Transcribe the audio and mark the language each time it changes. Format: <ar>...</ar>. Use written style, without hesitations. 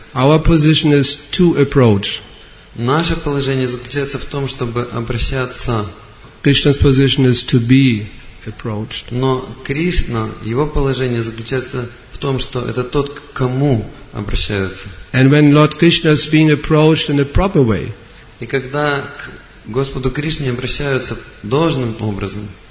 <en>Our position is to approach.</en> <ru>Наше положение заключается в том, чтобы обращаться.</ru> <en>Krishna's position is to be approached.</en> <ru>Но Кришна, его положение заключается в том, что это тот, к кому обращаются.</ru> <en>And when Lord Krishna is being approached in a proper way.</en> <ru>И когда к Господу Кришне обращаются должным образом.</ru>